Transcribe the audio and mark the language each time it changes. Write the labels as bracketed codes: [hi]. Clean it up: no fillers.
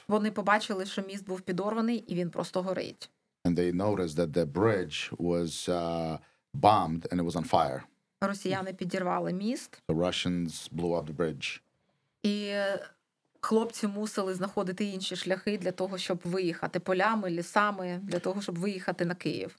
[uk] Вони побачили, що міст був підорваний і він просто горить. [en] And they noticed that the bridge was bombed and it was on fire. [uk] Росіяни підірвали міст. [en] The Russians blew up the bridge. [uk] І хлопці мусили знаходити інші шляхи для того, щоб виїхати полями, лісами, для того, щоб виїхати на Київ.